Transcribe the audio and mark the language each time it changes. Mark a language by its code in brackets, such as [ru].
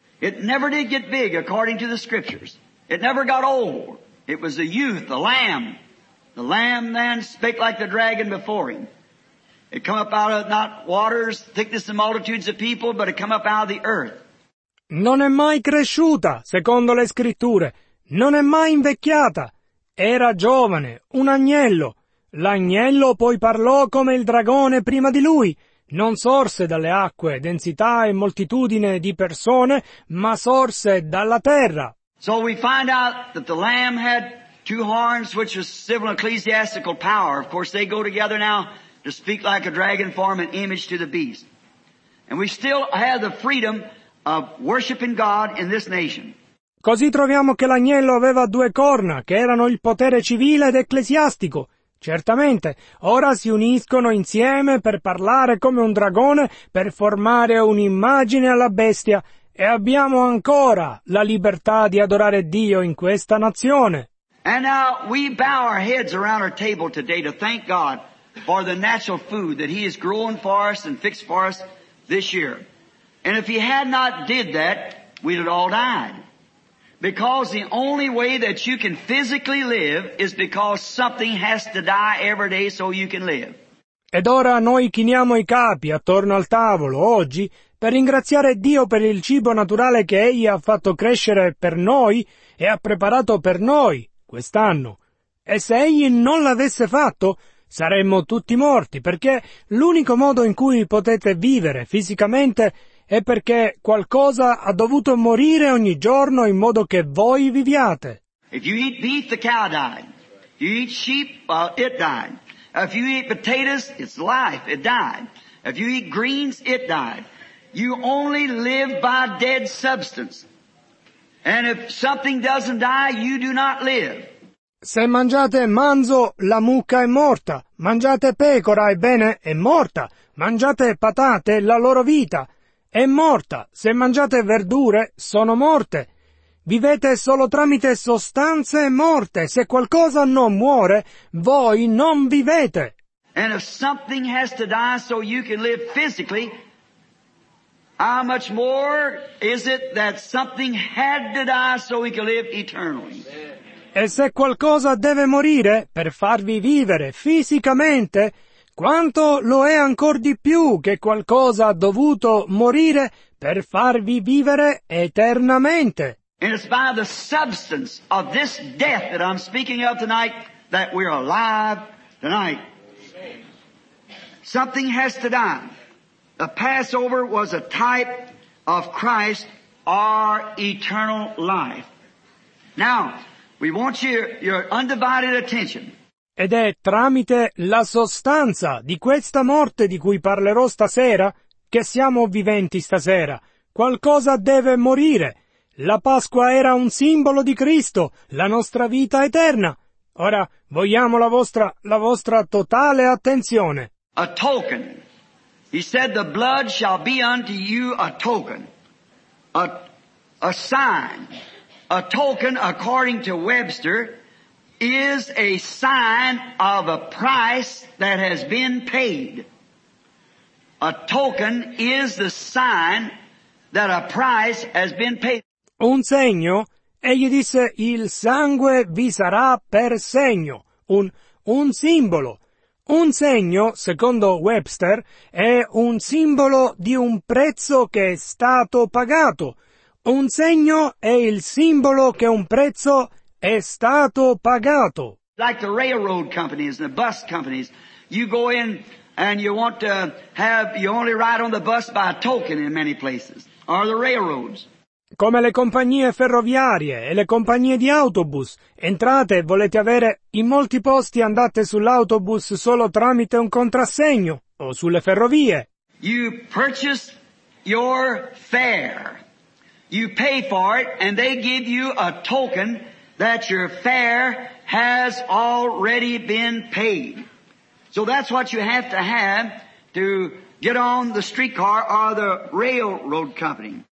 [en] It never did get big according to the scriptures. It never got old. It was the youth, the lamb. The lamb then spake like the dragon before him. It come up out of not waters, thickness and multitudes of people, but it come up out of the earth. [it] Non è mai cresciuta, secondo le scritture. Non è mai invecchiata. Era giovane, un agnello. L'agnello poi parlò come il dragone prima di lui. Non sorse dalle acque, densità e moltitudine di persone, ma sorse dalla terra. [en] So we find out that the lamb had two horns, which was civil ecclesiastical power. Of course, they go together now. To speak like a dragon form an image to the beast. And we still have the freedom of worshiping God in this nation. [it] Così troviamo che l'agnello aveva due corna, che erano il potere civile ed ecclesiastico. Certamente, ora si uniscono insieme per parlare come un dragone, per formare un'immagine alla bestia, e abbiamo ancora la libertà di adorare Dio in questa nazione. [en] And now we bow our heads around our table today to thank God for the natural food that he has grown for us and fixed for us this year. And if he had not did that, we'd have all died. Because the only way that you can physically live is because something has to die every day so you can live. [it] Ed ora noi chiniamo i capi attorno al tavolo oggi per ringraziare Dio per il cibo naturale che egli ha fatto crescere per noi e ha preparato per noi quest'anno. E se egli non l'avesse fatto, saremmo tutti morti, perché l'unico modo in cui potete vivere fisicamente è perché qualcosa ha dovuto morire ogni giorno in modo che voi viviate. [en] If you eat beef, the cow died. If you eat sheep, it died. If you eat potatoes, it's life, it died. If you eat greens, it died. You only live by dead substance. And if something doesn't die, you do not live. [it] Se mangiate manzo, la mucca è morta. Mangiate pecora, ebbene, è morta. Mangiate patate, la loro vita è morta. Se mangiate verdure, sono morte. vivete solo tramite sostanze morte. Se qualcosa non muore, voi non vivete. [en] And if something has to die so you can live physically, how much more is it that something had to die so we can live eternally? [it] E se qualcosa deve morire per farvi vivere fisicamente, quanto lo è ancor di più che qualcosa ha dovuto morire per farvi vivere eternamente? [en] And it's by the substance of this death that I'm speaking of tonight that we're alive tonight. Something has to die. The Passover was a type of Christ, our eternal life. Now, we want your undivided attention. [it] Ed è tramite la sostanza di questa morte di cui parlerò stasera che siamo viventi stasera. Qualcosa deve morire. La Pasqua era un simbolo di Cristo, la nostra vita eterna. Ora vogliamo la vostra totale attenzione. [en] A token. He said the blood shall be unto you a token. A sign. A token, according to Webster, is a sign of a price that has been paid. A token is the sign that a price has been paid. [it] Un segno, egli disse, il sangue vi sarà per segno, un simbolo. Un segno, secondo Webster, è un simbolo di un prezzo che è stato pagato. Un segno è il simbolo che un prezzo è stato pagato. [en] Like the railroad companies and the bus companies, you go in and you want to have, you only ride on the bus by a token in many places, or the railroads. [it] Come le compagnie ferroviarie e le compagnie di autobus, entrate e volete avere in molti posti andate sull'autobus solo tramite un contrassegno o sulle ferrovie. [en] You purchase your fare. You pay for it and they give you a token that your fare has already been paid. So that's what you have to get on the streetcar or the railroad company.